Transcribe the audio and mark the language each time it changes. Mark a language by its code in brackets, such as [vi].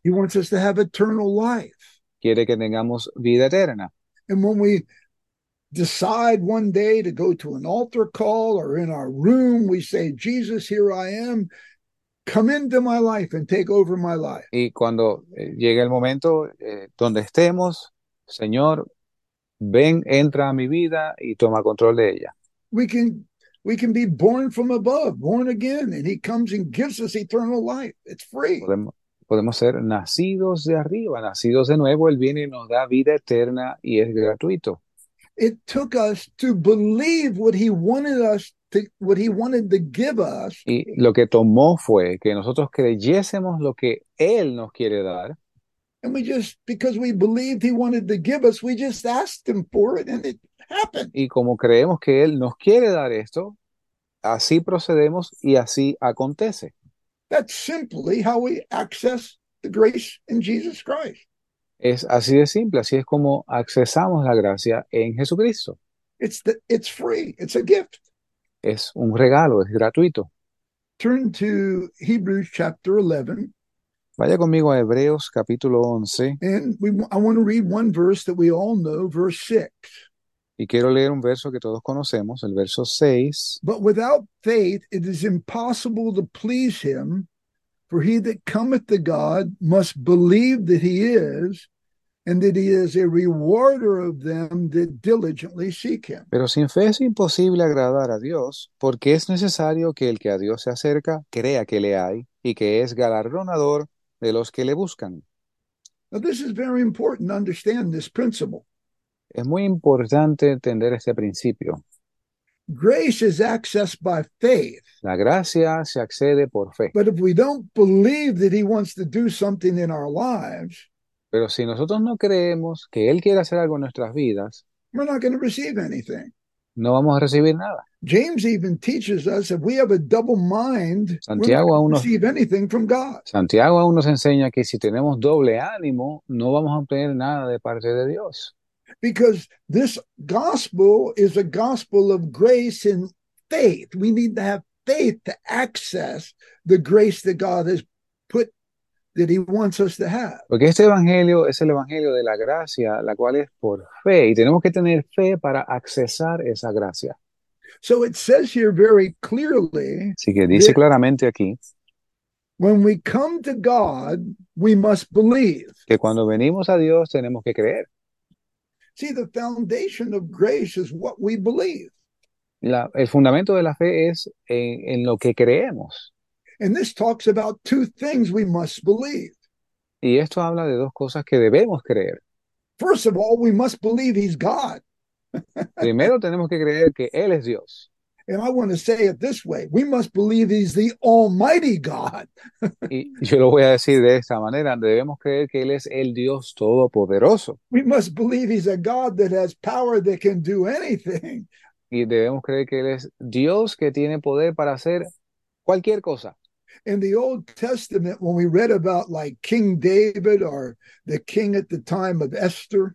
[en] He wants us to have eternal life. [es] Quiere que tengamos vida eterna. [en] And when we decide one day to go to an altar call or in our room, we say, Jesus, here I am. Come into my life and take over my life. [es] Y cuando llegue el momento donde estemos, Señor, ven, entra a mi vida y toma control de ella. [en] We can be born from above, born again, and he comes and gives us eternal life. It's free. [es] Podemos ser nacidos de arriba, nacidos de nuevo. Él viene y nos da vida eterna y es gratuito. [en] It took us to believe what he wanted us to, what he wanted to give us. [es] Y lo que tomó fue que nosotros creyésemos lo que él nos quiere dar. [en] And we just, because we believed he wanted to give us, we just asked him for it and it happened. [es] Y como creemos que él nos quiere dar esto, así procedemos y así acontece. [en] That's simply how we access the grace in Jesus Christ. [es] Es así de simple, así es como accesamos la gracia en Jesucristo. [en] It's free, it's a gift. [es] Es un regalo, es gratuito. [en] Turn to Hebrews chapter 11. [es] Vaya conmigo a Hebreos capítulo 11. [en] And I want to read one verse that we all know, verse 6. [es] Y quiero leer un verso que todos conocemos, el verso 6. [en] But without faith it is impossible to please him. For he that cometh to God must believe that he is, and that he is a rewarder of them that diligently seek him. [es] Pero sin fe es imposible agradar a Dios, porque es necesario que el que a Dios se acerca crea que le hay, y que es galardonador de los que le buscan. [en] Now this is very important to understand this principle. [es] Es muy importante entender este principio. [en] Grace is accessed by faith. [es] La gracia se accede por fe. [en] But if we don't believe that he wants to do something in our lives, [es] pero si nosotros no creemos que él quiere hacer algo en nuestras vidas, [en] we're not going to receive anything. [es] no vamos a recibir nada. [en] James even teaches us if we have a double mind, we're not [es] Santiago [en] going to [es] aún nos [en] receive anything from God. [es] Santiago aún nos enseña que si tenemos doble ánimo, no vamos a obtener nada de parte de Dios. [en] Because this gospel is a gospel of grace and faith. We need to have faith to access the grace that God has put, that he wants us to have. [es] Porque este evangelio es el evangelio de la gracia, la cual es por fe, y tenemos que tener fe para accesar esa gracia. [en] So it says here very clearly, [es] así que dice that claramente aquí, [en] when we come to God, we must believe. [es] Que cuando venimos a Dios tenemos que creer. [en] See, the foundation of grace is what we believe. [es] El fundamento de la fe es en lo que creemos. [en] And this talks about two things we must believe. [es] Y esto habla de dos cosas que debemos creer. [en] First of all, we must believe he's God. [es] Primero tenemos que creer que Él es Dios. [en] And I want to say it this way. We must believe he's the Almighty God. [es] Y yo lo voy a decir de esta manera. Debemos creer que Él es el Dios Todopoderoso. [en] We must believe he's a God that has power that can do anything. [es] Y debemos creer que Él es Dios que tiene poder para hacer cualquier cosa. [en] In the Old Testament, when we read about like King David or the king at the time of Esther,